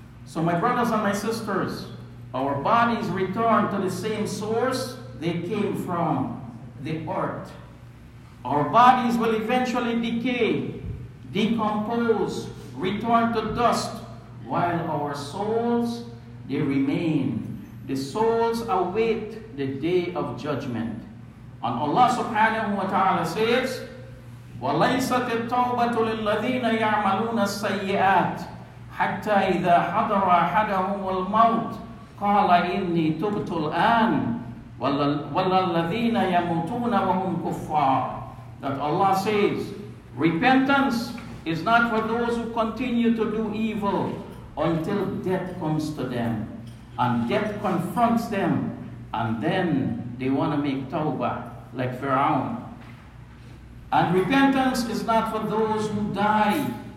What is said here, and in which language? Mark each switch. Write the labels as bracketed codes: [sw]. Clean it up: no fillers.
[en] So my brothers and my sisters, our bodies return to the same source they came from, the earth. Our bodies will eventually decay, decompose, return to dust, while our souls, they remain. The souls await the day of judgment. And Allah subhanahu wa ta'ala says, [ar] وَلَيْسَتِ التَّوْبَةُ لِلَّذِينَ يَعْمَلُونَ السَّيِّئَاتِ حَتَّى إِذَا حَضَرَ أَحَدَهُمُ الْمَوْتِ قَالَ إِنِّي تُبْتُ الْآنِ وَلَّذِينَ يَمُوتُونَ وَهُمْ كُفَّارِ. [en] That Allah says, repentance is not for those who continue to do evil until death comes to them. And death confronts them, and then they want to make tawbah, like Pharaoh. And repentance is not for those who die